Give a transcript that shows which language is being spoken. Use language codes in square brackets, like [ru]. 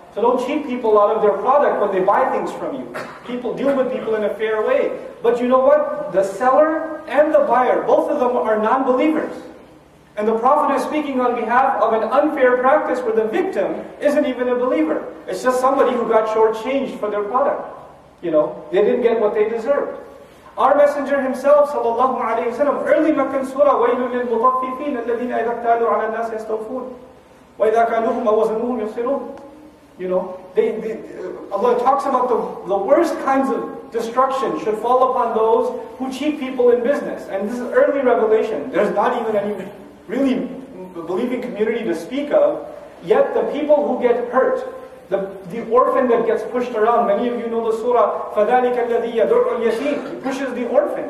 [en] So don't cheat people out of their product when they buy things from you. People deal with people in a fair way. But you know what? The seller and the buyer, both of them are non-believers. And the Prophet is speaking on behalf of an unfair practice where the victim isn't even a believer. It's just somebody who got shortchanged for their product. You know, they didn't get what they deserved. Our Messenger himself, sallallahu alayhi wa sallam, early Meccan surah, [ar] وَيْلٌ لِلْمُطَفِّفِينَ الَّذِينَ إِذَا اكْتَالُوا عَلَى النَّاسِ يَسْتَوْفُونَ وَإِذَا كَانُوهُمْ أَوَزَنُوهُمْ يُصِرُونَ. [en] You know, Allah talks about the worst kinds of destruction should fall upon those who cheat people in business. And this is early revelation. There's not even any really believing community to speak of. Yet the people who get hurt, the orphan that gets pushed around, many of you know the surah, [ar] فَذَلِكَ الَّذِي يَدُرُّ الْيَتِيمِ. [en] He pushes the orphan.